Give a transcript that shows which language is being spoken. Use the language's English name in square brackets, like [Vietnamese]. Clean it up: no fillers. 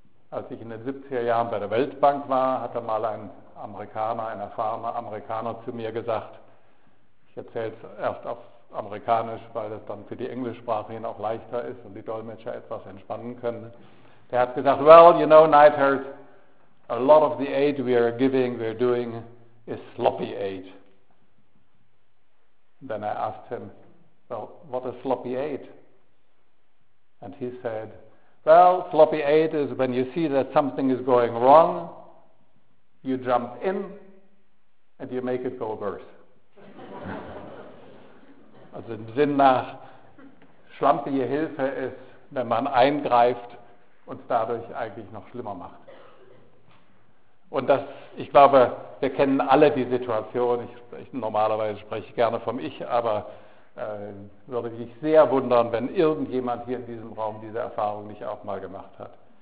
[German] Als ich in den 70er Jahren bei der Weltbank war, hatte mal ein Amerikaner, ein erfahrener Amerikaner zu mir gesagt, ich erzähle es erst auf Amerikanisch, weil das dann für die Englischsprachigen auch leichter ist und die Dolmetscher etwas entspannen können. Der hat gesagt, [English] well, you know, Neithardt, a lot of the aid we are giving, we are doing, is sloppy aid. And then I asked him, well, what is sloppy aid? And he said, well, sloppy aid is when you see that something is going wrong, you jump in and you make it go worse. [German] Also im Sinn nach, schlampige Hilfe ist, wenn man eingreift und es dadurch eigentlich noch schlimmer macht. Und das, ich glaube, wir kennen alle die Situation, normalerweise spreche ich gerne vom Ich, aber würde mich sehr wundern, wenn irgendjemand hier in diesem Raum diese Erfahrung nicht auch mal gemacht hat.